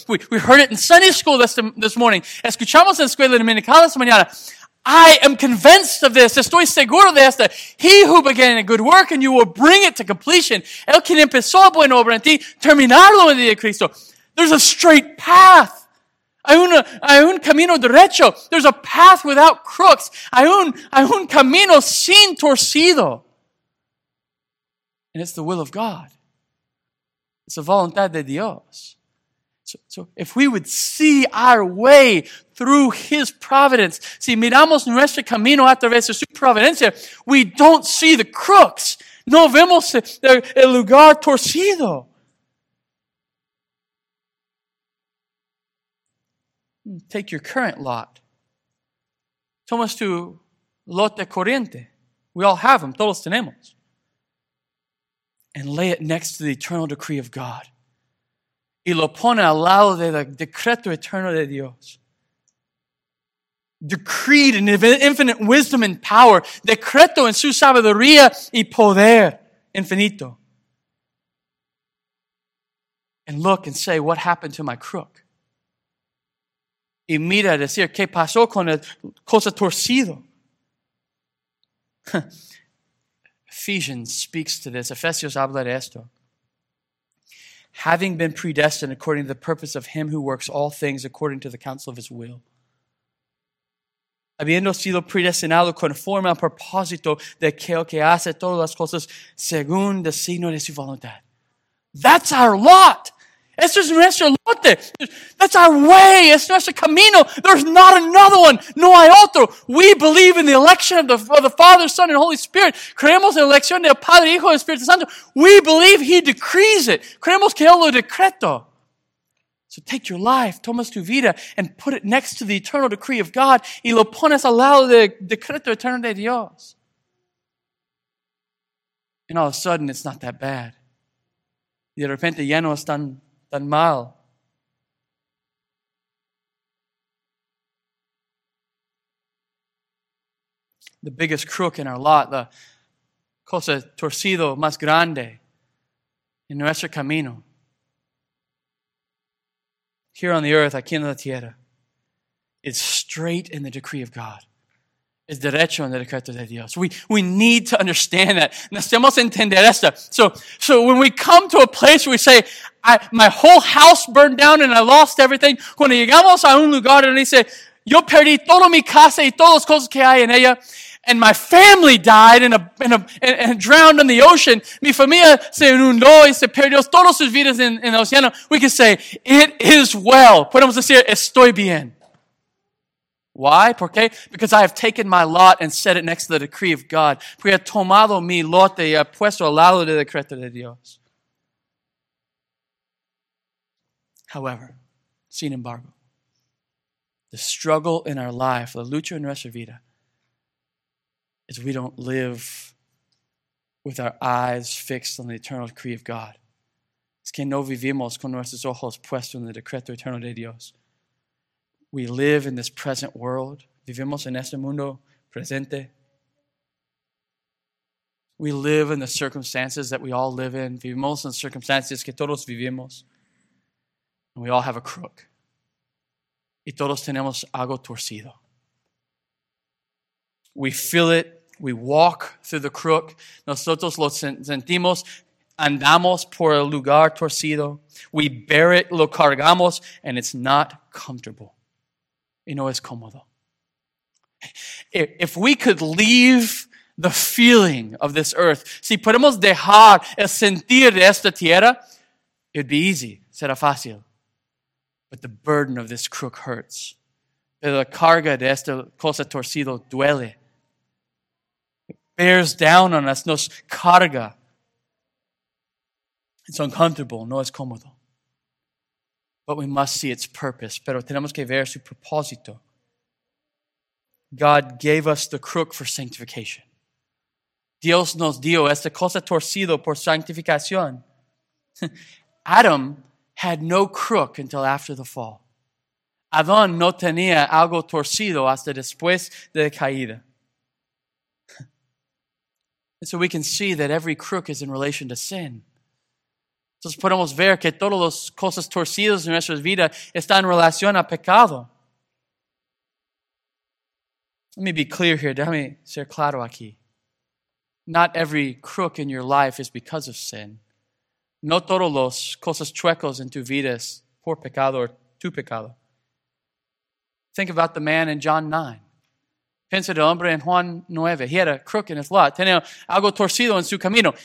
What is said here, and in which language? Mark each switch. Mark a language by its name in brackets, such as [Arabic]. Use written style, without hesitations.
[English] We heard it in Sunday school this morning. [Spanish] Escuchamos en escuela dominical esta mañana. [English] I am convinced of this. [Spanish] Estoy seguro de esto. [English] He who began a good work and you will bring it to completion. [Spanish] El quien empezó a buena obra en ti, terminarlo en día de Cristo. [English] There's a straight path. [Spanish] Hay un camino derecho. [English] There's a path without crooks. [Spanish] Hay un camino sin torcido. [English] And it's the will of God. It's the [Spanish] voluntad de Dios. [English] So if we would see our way through His providence, [Spanish] si miramos nuestro camino a través de su providencia, [English] we don't see the crooks. [Spanish] No vemos el lugar torcido. [English] Take your current lot. [Spanish] Tomas tu lote corriente. [English] We all have them. [Spanish] Todos tenemos. [English] And lay it next to the eternal decree of God. [Spanish] Y lo pone al lado del decreto eterno de Dios. [English] Decreed in infinite wisdom and power. [Spanish] Decreto en su sabiduría y poder infinito. [English] And look and say, what happened to my crook? [Spanish] Y mira decir, ¿qué pasó con el cosa torcido? [English] Ephesians speaks to this. [Spanish] Efesios habla de esto. [English] Having been predestined according to the purpose of Him who works all things according to the counsel of His will. [Spanish] Habiendo sido predestinado conforme al propósito de aquel que hace todas las cosas según designio de su voluntad. [English] That's our lot. [Spanish] Esto es nuestro lote. [English] That's our way. [Spanish] Es nuestro camino. [English] There's not another one. [Spanish] No hay otro. [English] We believe in the election of the Father, Son, and Holy Spirit. [Spanish] Creemos en la elección del Padre, Hijo y Espíritu Santo. [English] We believe He decrees it. [Spanish] Creemos que Él lo decreto. [English] So take your life, [Spanish] tomas tu vida, [English] and put it next to the eternal decree of God. [Spanish] Y lo pones al lado del decreto eterno de Dios. [English] And all of a sudden, it's not that bad. [Spanish] Y de repente ya no están tan mal. [English] The biggest crook in our lot, [Spanish] the cosa torcido más grande en nuestro camino. [English] Here on the earth, [Spanish] aquí en la tierra, [English] is straight in the decree of God. [Spanish] Es derecho en el decreto de Dios. [English] We need to understand that. [Spanish] Necesitamos entender esto. [English] So when we come to a place where we say, my whole house burned down and I lost everything. [Spanish] Cuando llegamos a un lugar donde dice, yo perdí toda mi casa y todas las cosas que hay en ella. [English] And my family died and drowned in the ocean. [Spanish] Mi familia se inundó y se perdió todas sus vidas en el océano. [English] We can say, it is well. [Spanish] Podemos decir, estoy bien. [English] Why? [Spanish] ¿Por qué? [English] Because I have taken my lot and set it next to the decree of God. [Spanish] Porque he tomado mi lote y he puesto al lado del decreto de Dios. [English] However, [Spanish] sin embargo, [English] the struggle in our life, [Spanish] la lucha en nuestra vida, [English] is we don't live with our eyes fixed on the eternal decree of God. [Spanish] Es que no vivimos con nuestros ojos puestos en el decreto eterno de Dios. [English] We live in this present world. [Spanish] Vivimos en este mundo presente. [English] We live in the circumstances that we all live in. [Spanish] Vivimos en circunstancias que todos vivimos. [English] And we all have a crook. [Spanish] Y todos tenemos algo torcido. [English] We feel it. We walk through the crook. [Spanish] Nosotros lo sentimos. Andamos por el lugar torcido. [English] We bear it. [Spanish] Lo cargamos. [English] And it's not comfortable. [Spanish] Y no es cómodo. [English] If we could leave the feeling of this earth, [Spanish] si podemos dejar el sentir de esta tierra, [English] it'd be easy, [Spanish] será fácil. [English] But the burden of this crook hurts. [Spanish] La carga de esta cosa torcido duele. [English] It bears down on us, [Spanish] nos carga. [English] It's uncomfortable, [Spanish] no es cómodo. [English] But we must see its purpose. [Spanish] Pero tenemos que ver su propósito. [English] God gave us the crook for sanctification. [Spanish] Dios nos dio esta cosa torcido por santificación. [English] Adam had no crook until after the fall. [Spanish] Adán no tenía algo torcido hasta después de la caída. [English] And so we can see that every crook is in relation to sin. [Spanish] Entonces podemos ver que todas las cosas torcidas en nuestra vida están en relación a pecado. [English] Let me be clear here. [Spanish] Déjame ser claro aquí. [English] Not every crook in your life is because of sin. [Spanish] No todos los cosas chuecos en tu vida es por pecado or tu pecado. [English] Think about the man in John 9. [Spanish] Piensa del hombre en Juan 9. [English] He had a crook in his lot. [Spanish] Tenía algo torcido en su camino.